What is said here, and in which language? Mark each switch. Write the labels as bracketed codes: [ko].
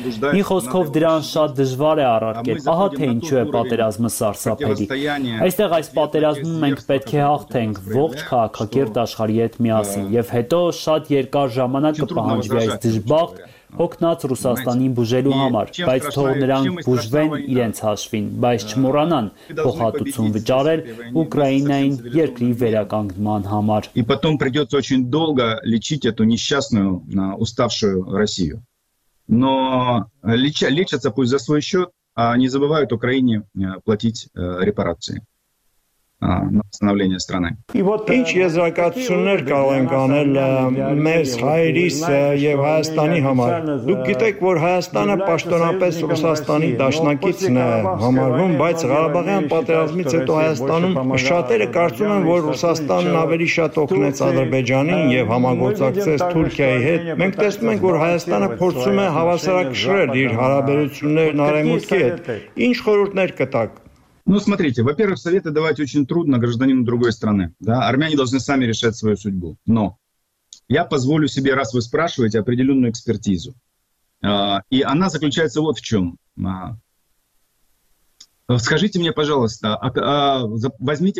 [hy] Մի խոսքով, դրան շատ դժվար է առարկել, ահա թե ինչու է պատերազմը սարսափելի։ Այստեղ այս պատերազմում մենք պետք է հաղթենք ողջ քաղաքակիրթ աշխարհի հետ միասին, եւ հետո շատ երկար ժամանակ կպահանջվի այս դժբախտ հոգնած Ռուսաստանին բուժելու համար, բայց թող նրանք բուժվեն իրենց հաշվին, բայց չմոռանան փոխհատուցում վճարել Ուկրաինային երկրի վերականգնման համար։ [ru] И потом придётся очень долго лечить эту несчастную, уставшую Россию. Но лечатся пусть за свой счёт, а не забывают Украине платить репарации. [hy] Ինչ եզրակացություններ կարող ենք անել մեր հայրիս և Հայաստանի համար։ Դուք գիտեք, որ Հայաստանը պաշտոնապես Ռուսաստանի դաշնակիցն է համարվում, բայց Ղարաբաղյան պատերազմից հետո Հայաստանում շատերը կարծում են, որ Ռուսաստանն ավելի շատ օգնեց Ադրբեջանին և համագործակցեց Թուրքիայի հետ։ Մենք տեսնում ենք, որ Հայաստանը փորձում է հավասարակշռել իր հարաբերություններն Արևմուտքի հետ։ Ինչ խորհուրդներ կտաք։ [ru] Ну, смотрите, во-первых, советы давать очень трудно гражданину другой страны. Да? Армяне должны сами решать свою судьбу. Но я позволю себе, раз вы спрашиваете, определенную экспертизу. И она заключается вот в чем. Скажите мне, пожалуйста, возьмите